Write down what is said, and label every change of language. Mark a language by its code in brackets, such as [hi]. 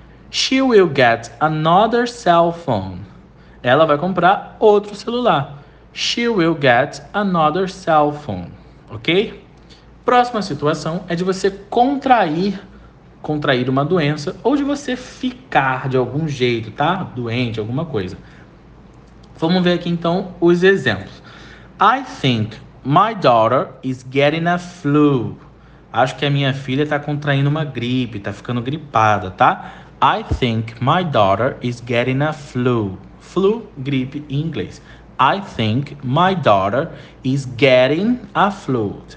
[en] She will get another cell phone. [pt] Ela vai comprar outro celular. [en] She will get another cell phone. Ok? [pt] Próxima situação é de você contrair uma doença ou de você ficar de algum jeito, tá? Doente, alguma coisa. Vamos ver aqui então os exemplos. [en] I think my daughter is getting a flu. [pt] Acho que a minha filha está contraindo uma gripe, está ficando gripada, tá? [en] I think my daughter is getting a flu. Flu, [pt] gripe em inglês. [en] I think my daughter is getting a flu.